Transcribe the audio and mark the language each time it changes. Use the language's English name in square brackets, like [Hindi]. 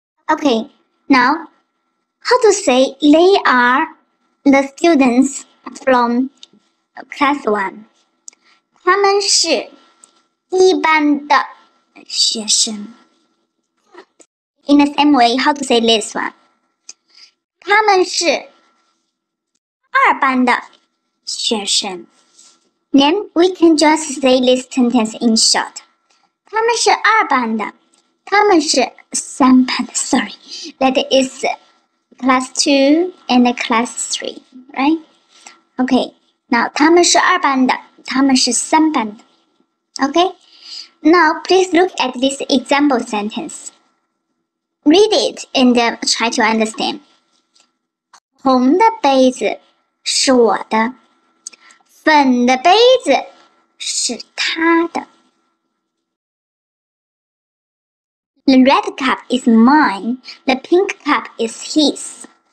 [English] Okay, now, how to say they are the students from Class one， [Chinese] 他们是一般的学生。 [English] In the same way, how to say this one？ [Chinese] 他们是二班的学生。 [English] Then we can just say this sentence in short。 [Chinese] 他们是二班的，他们是三班的。 [English] Sorry, that is class two and class three, right? Okay. [Chinese] Now，他们是二班的，他们是三班的。 [English] OK，Now please look at this example sentence. Read it and try to understand. [Chinese] 红的杯子是我的，粉的杯子是他的。 [English] The red cup is mine. The pink cup is his.